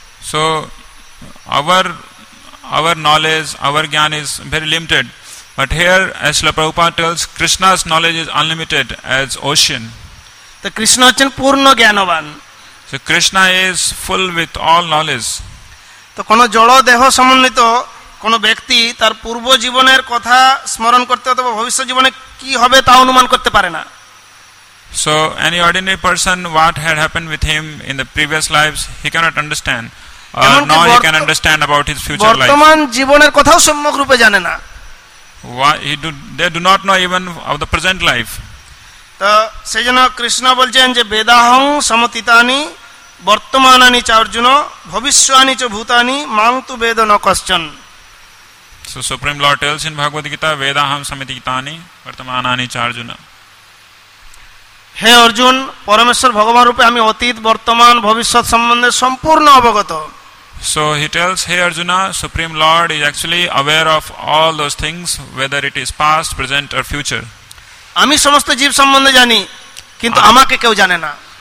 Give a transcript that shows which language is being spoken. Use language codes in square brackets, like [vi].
[en] So our knowledge our gyan is very limited, but here Srila Prabhupada tells Krishna's knowledge is unlimited as ocean. [bn] তো কৃষ্ণ হচ্ছেন পূর্ণ জ্ঞানবান, [en] So Krishna is full with all knowledge. [bn] তো কোনো জড় দেহ সমন্বিত কোনো ব্যক্তি তার পূর্ব জীবনের কথা স্মরণ করতে অথবা ভবিষ্যৎ জীবনে কি হবে তা অনুমান করতে পারে না। [en] So any ordinary person, what had happened with him in the previous lives, he cannot understand. Now he can understand about his future life. [bn] বর্তমান জীবনের কথাও সম্যক রূপে জানে না. [en] They do not know even of the present life. [bn] তো সেজন্য কৃষ্ণ বলছেন যে [sa] বেদাহং সমতিতানি বর্তমানানি চ অর্জুন ভবিষ্যানি চ ভূতানি মাং তু বেদ ন কশ্চন। [en] So Supreme Lord tells in Bhagavad Gita, [sa] বেদাহং সমতিতানি বর্তমানানি চ অর্জুন। [bn] হে অর্জুন, পরমেশ্বর ভগবান রূপে আমি অতীত বর্তমান ভবিষ্যৎ সম্বন্ধে সম্পূর্ণ অবগত। [en] So he tells হে Arjuna, supreme lord is actually aware of all those things, whether it is past present or future. [bn] আমি সমস্ত জীব সম্বন্ধে জানি, কিন্তু আমাকে কেউ জানে না।